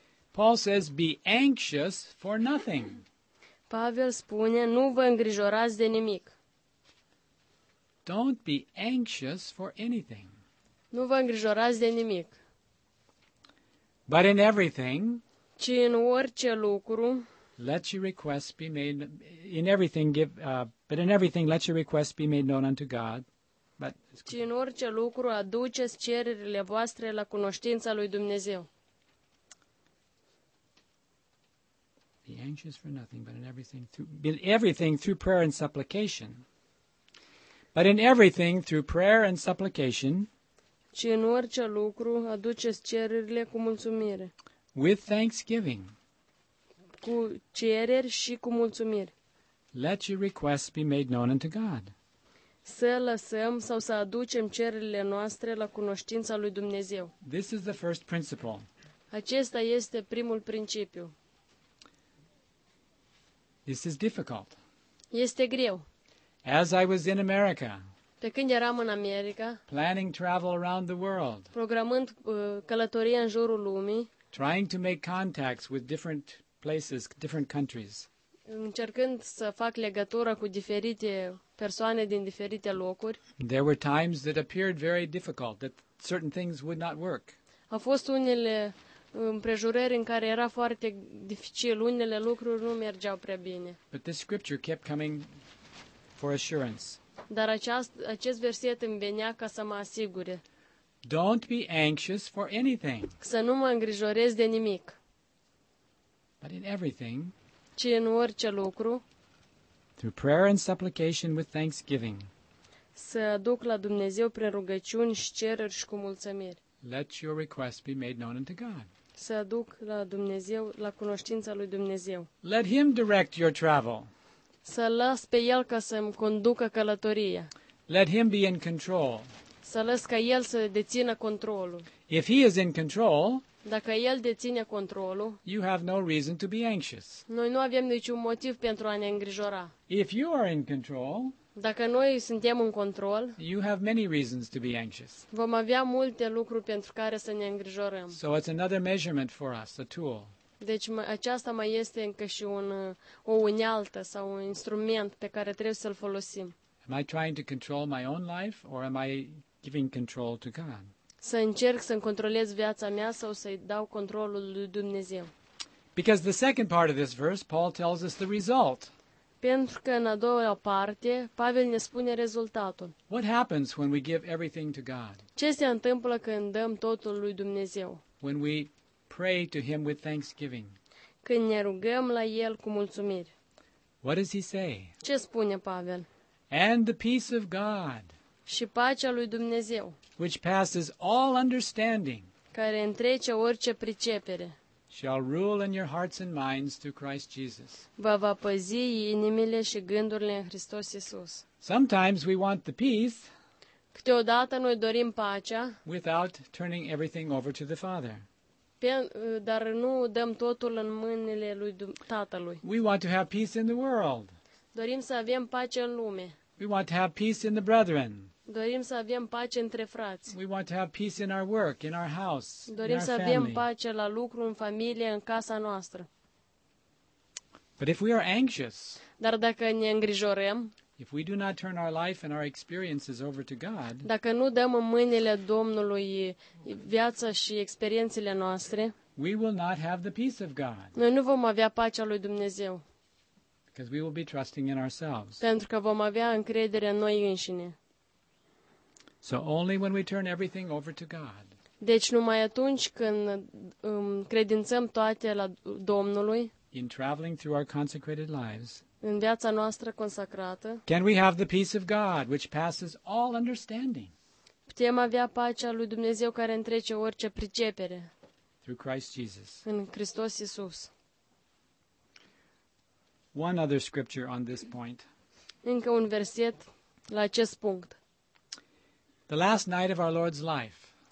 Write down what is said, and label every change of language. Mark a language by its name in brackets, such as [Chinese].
[English] Paul says, be anxious for nothing. [Romanian] Pavel spune, nu vă îngrijorați de nimic. [English] Don't be anxious for anything. [Romanian] Nu vă îngrijorați de nimic. [English] But in everything, [Romanian] ci în orice lucru, [English] let your requests be made in everything give but in everything let your requests be made known unto God. But [Romanian] ci în orice lucru aduceți cererile voastre la cunoștința lui Dumnezeu. [English] Be anxious for nothing, but in everything through prayer and supplication. But in everything through prayer and supplication. [Romanian] Ci în orice lucru aduceți cererile cu mulțumire. [English] With thanksgiving. [Romanian] Cu cereri și cu mulțumiri. [English] Let your requests be made known unto God. [Romanian] Să lăsăm sau să aducem cererile noastre la cunoștința lui Dumnezeu. [English] This is the first principle. [Romanian] Acesta este primul principiu. [English] This is difficult. [Romanian] Este greu. [English] As I was in America. [Romanian] Pe când eram în America. [English] Planning travel around the world. [Romanian] Programând călătoria în jurul lumii. [English] Trying to make contacts with different places, different countries. [Romanian] Încercând să fac legătură cu diferite persoane din diferite locuri. [English] There were times that appeared very difficult, that certain things would not work. [Romanian] Au fost unele împrejurări în care era foarte dificil, unele lucruri nu mergeau prea bine. [English] But this scripture kept coming for assurance. [Romanian] Dar acest verset îmi venea ca să mă asigure. [English] Don't be anxious for anything. [Romanian] Să nu mă îngrijorez de nimic. [English] But in everything, [Romanian] ci în orice lucru, [English] through prayer and supplication with thanksgiving, [Romanian] să aduc la Dumnezeu prin rugăciuni și cereri și cu mulțumiri. [English] Let your request be made known unto God. [Romanian] Să aduc la Dumnezeu, la cunoștința lui Dumnezeu. [English] Let him direct your travel. [Romanian] Să las pe el ca să-mi conducă călătoria. [English] Let him be in control. [Romanian] Să las ca el să dețină controlul. [English] If he is in control, [Romanian] dacă el deține controlul, [English] you have no reason to be anxious. [Romanian] Noi nu avem niciun motiv pentru a ne îngrijora. [English] If you are in control, [Romanian] dacă noi suntem în control, [English] you have many reasons to be anxious. [Romanian] Vom avea multe lucruri pentru care să ne îngrijorăm. [English] So it's another measurement for us, a tool. [Romanian] Deci aceasta mai este încă și o unealtă sau un instrument pe care trebuie să-l folosim. [English] Am I trying to control my own life or am I giving control to God? [Romanian] Să încerc să-mi controlez viața mea sau să-i dau controlul lui Dumnezeu. [English] Because the second part of this verse, Paul tells us the result. [Romanian] Pentru că în a doua parte, Pavel ne spune rezultatul. [English] What happens when we give everything to God? [Romanian] Ce se întâmplă când dăm totul lui Dumnezeu? [English] When we pray to him with thanksgiving. [Romanian] Când ne rugăm la el cu mulțumiri. [English] What does he say? [Romanian] Ce spune Pavel? [English] And the peace of God. [Romanian] Și pacea lui Dumnezeu. [English] Which passes all understanding. [Romanian] Care întrece orice pricepere. [English] Shall rule in your hearts and minds through Christ Jesus. [Romanian] Vă va păzi inimile și gândurile în Hristos Iisus. [English] Sometimes we want the peace. [Romanian] Câteodată noi dorim pacea. [English] Without turning everything over to the Father. [Romanian] Dar nu dăm totul în mâinile lui Tatălui. [English] We want to have peace in the world. [Romanian] Dorim să avem pace în lume. [English] We want to have peace in the brethren. [Romanian] Dorim să avem pace între frați. [English] We want to have peace in our work, in our house. [Romanian] Dorim să avem pace la lucru, în familie, în casa noastră. [English] But if we are anxious. [Romanian] Dar dacă ne îngrijorăm. [English] If we do not turn our life and our experiences over to God. [Romanian] Dacă nu dăm în mâinile Domnului viața și experiențele noastre. [English] We will not have the peace of God. [Romanian] Noi nu vom avea pacea lui Dumnezeu. [English] Because we will be trusting in ourselves. [Romanian] Pentru că vom avea încredere în noi înșine. [English] So only when we turn everything over to God. [Romanian] Deci numai atunci când credințăm toate la Domnului. [English] In traveling through our consecrated lives. [Romanian] În viața noastră consacrată. [English] Can we have the peace of God which passes all understanding? [Romanian] Putem avea pacea lui Dumnezeu care întrece orice pricepere. [English] Through Christ Jesus. [Romanian] În Hristos Iisus. [English] One other scripture on this point. [Romanian] Încă un verset la acest punct. [English] The last night of our Lord's life.